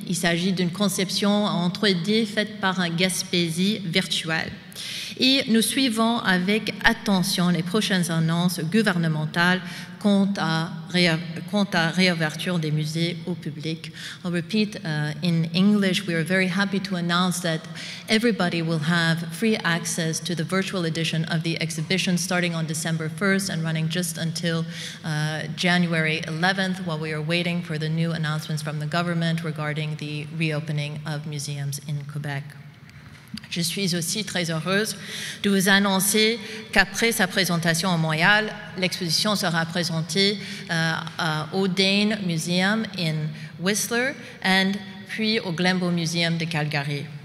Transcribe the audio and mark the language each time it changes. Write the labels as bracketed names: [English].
[French] Il s'agit d'une conception en 3D faite par un Gaspésie virtuel. Et nous suivons avec attention les prochaines annonces gouvernementales quant à réouverture des musées au public. [English] I'll repeat in English. We are very happy to announce that everybody will have free access to the virtual edition of the exhibition starting on December 1st and running just until January 11th while we are waiting for the new announcements from the government regarding the reopening of museums in Quebec. [French] Je suis aussi très heureuse de vous annoncer qu'après sa présentation à Montréal, l'exposition sera présentée au Dane Museum in Whistler et puis au Glenbow Museum de Calgary.